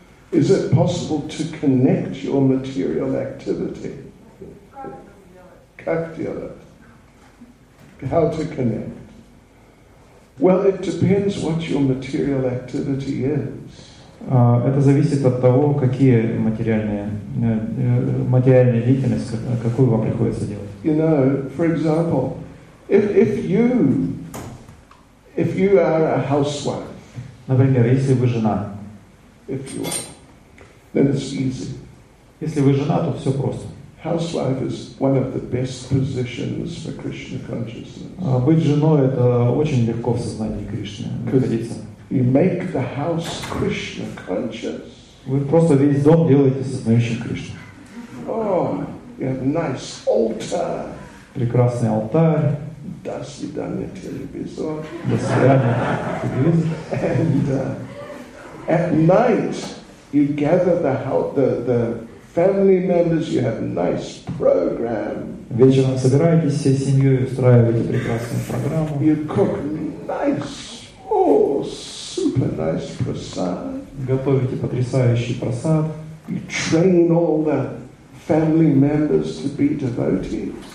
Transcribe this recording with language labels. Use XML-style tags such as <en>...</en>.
<en>Is it possible to connect your material activity? How to connect? Well, it depends what your material activity is.</en> <ru>Это зависит от того, какие материальные деятельности, какую вам приходится делать.</ru> <en>You know, for example, if you are a housewife.</en> <ru>Например, если вы жена.</ru> <en>If you are, then it's easy.</en> <ru>Если вы жена, то все просто.</ru> <en>Housewife is one of the best positions for Krishna consciousness.</en> <ru>Быть женой — это очень легко в сознании Кришны находиться.</ru> <en>You make the house Krishna conscious.</en> <ru>Вы просто весь дом делаете сознающим Кришну.</ru> <en>Oh, you have nice altar.</en> <ru>Прекрасный алтарь. До свидания, телевизор. До свидания.</ru> <en>And at night you gather the family members, you have nice program.</en> <ru>Вечером собираетесь всей семьей, устраиваете прекрасную программу.</ru> <en>You cook nice, oh, super nice prasad.</en> <ru>Готовите потрясающий просад.</ru> <en>You train all the family members to be devotees.</en>